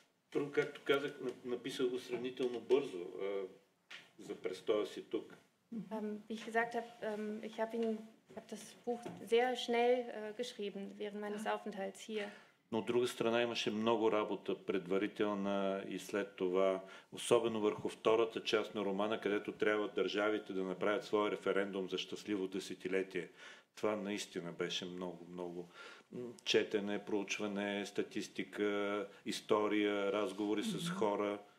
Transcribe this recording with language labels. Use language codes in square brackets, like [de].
[bg] Трудно, както казах, написал го сравнително бързо за престоя си тук. [de] Wie ich gesagt habe, ich habe das Buch sehr schnell geschrieben während meines Aufenthalts hier. [bg] Но от друга страна имаше много работа предварителна и след това, особено върху втората част на романа, където трябва държавите да направят своя референдум за щастливо десетилетие. Това наистина беше много, много четене, проучване, статистика, история, разговори с хора.